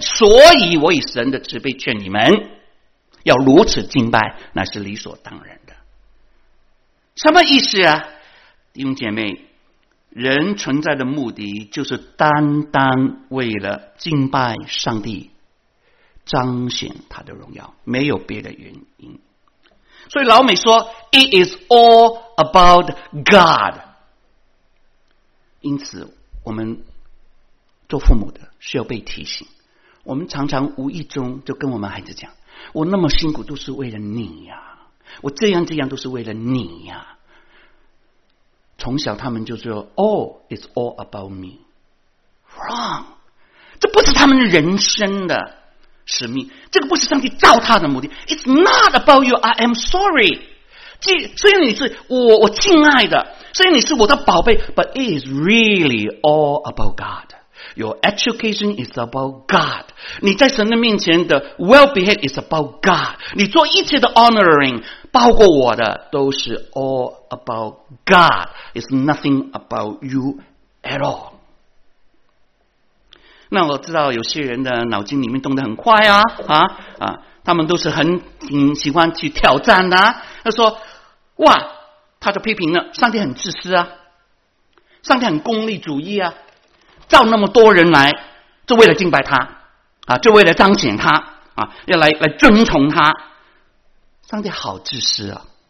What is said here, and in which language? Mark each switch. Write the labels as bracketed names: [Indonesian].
[Chinese] 所以我以神的慈悲劝你们要如此敬拜，那是理所当然的。什么意思啊？弟兄姐妹，人存在的目的就是单单为了敬拜上帝，彰显他的荣耀，没有别的原因。所以老美说 [English] It is all about God。 [Chinese] 因此我们做父母的需要被提醒，我们常常无意中就跟我们孩子讲，我那么辛苦都是为了你呀，我这样都是为了你呀。从小他们就说 [English] Oh, it's all about me. Wrong. [Chinese] 这不是他们人生的使命，这个不是上帝造他的目的。 [English] It's not about you, I am sorry. [Chinese] 虽然你是我敬爱的，所以你是我的宝贝， [English] but it is really all about God. Your education is about God. [Chinese] 你在神的面前的 [English] well-behaved is about God. [Chinese] 你做一切的 honoring, 包括我的，都是 [English] all about God. It's nothing about you at all. [Chinese] 那我知道有些人的脑筋里面动得很快他们都是很喜欢去挑战的。他说哇，他就批评了，上帝很自私啊，上帝很功利主义啊，造那么多人来就为了敬拜他啊，就为了彰显他啊，要来尊崇他，上帝好自私啊。